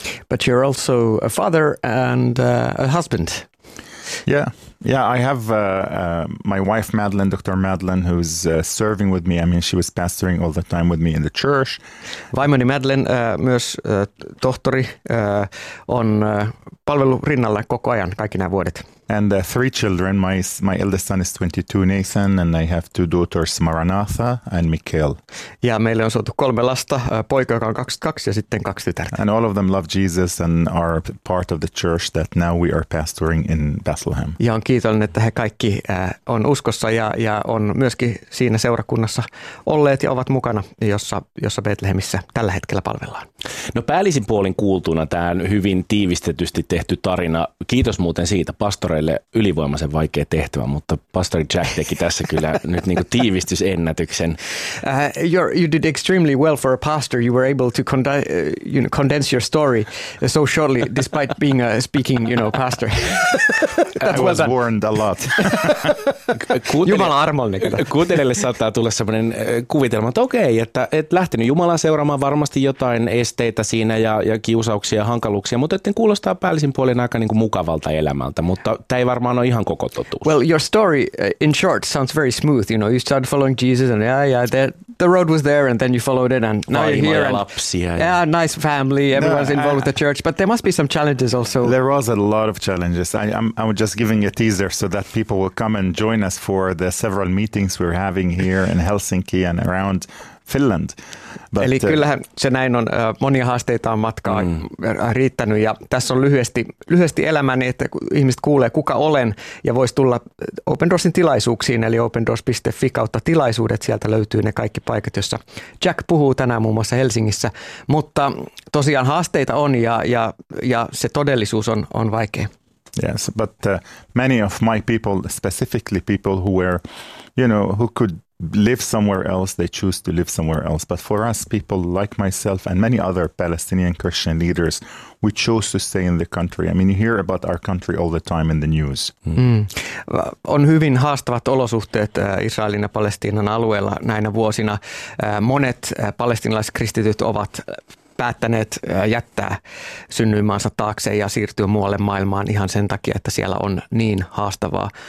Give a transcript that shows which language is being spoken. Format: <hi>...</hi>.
<en>But you're also a father and a husband. Yeah, I have my wife Madeline, Dr. Madeline, who's serving with me. I mean, she was pastoring all the time with me in the church.</en> <fi>Vaimoni Madeline, myös tohtori, on palvelu rinnalla koko ajan, kaikki nämä vuodet.</fi> <en>And three children. My eldest son is 22, Nathan, and I have two daughters, Maranatha and Mikael.</en> <fi>Ja meille on saatu kolme lasta, poika, joka on 22, ja sitten kaksi tytärtä.</fi> <en>And all of them love Jesus and are part of the church that now we are pastoring in Bethlehem.</en> <fi>Ja on kiitollinen, että he kaikki on uskossa ja on myöskin siinä seurakunnassa olleet ja ovat mukana, jossa Bethlehemissä tällä hetkellä palvellaan. No päällisin puolin kuultuna tämä hyvin tiivistetysti tehty tarina. Kiitos muuten siitä pastoreille, ylivoimaisen vaikea tehtävä, mutta pastori Jack teki tässä kyllä nyt niin kuin tiivistysennätyksen.</fi> <en>You did extremely well for a pastor. You were able to condense your story so shortly despite being a speaking, you know, pastor. That's I was well warned a lot.</en> <fi>Jumala armollinen. Kuuntelijalle saattaa tulla sellainen kuvitelma, että okei, että et lähtenyt Jumalaa seuraamaan varmasti jotain esteitä siinä ja kiusauksia ja hankaluuksia, mutta etten kuulostaa päällisin puolin aika niin kuin mukavalta elämältä, mutta tämä ei varmaan ole ihan koko totuus.</fi> <en>Well, your story in short sounds very smooth. You know, you started following Jesus and the road was there and then you followed it and now you're here.</en> <fi>Lapsia,</fi> <en>and, yeah, nice family, everyone's involved with the church, but there must be some challenges also. There was a lot of challenges. I'm just giving a teaser so that people will come and join us for the several meetings we're having here in Helsinki and around Finland. But,</en> <fi>eli kyllähän se näin on. Monia haasteita on matkaa riittänyt ja tässä on lyhyesti elämäni, että ihmiset kuulee kuka olen ja voisi tulla Open Doorsin tilaisuuksiin eli opendoors.fi kautta tilaisuudet. Sieltä löytyy ne kaikki paikat, joissa Jack puhuu tänään muun muassa Helsingissä, mutta tosiaan haasteita on ja se todellisuus on vaikea.</fi> <en>Yes, but many of my people, specifically people who were, you know, who could live somewhere else, they choose to live somewhere else. But for us, people like myself and many other Palestinian Christian leaders, we chose to stay in the country. I mean, you hear about our country all the time in the news. Mm.</en> <fi>On hyvin haastavat olosuhteet Israelin ja Palestiinan alueella näinä vuosina. Monet palestinalaiskristityt ovat päättäneet jättää synnyinmaansa taakse ja siirtyä muualle maailmaan ihan sen takia, että siellä on niin haastavaa.</fi>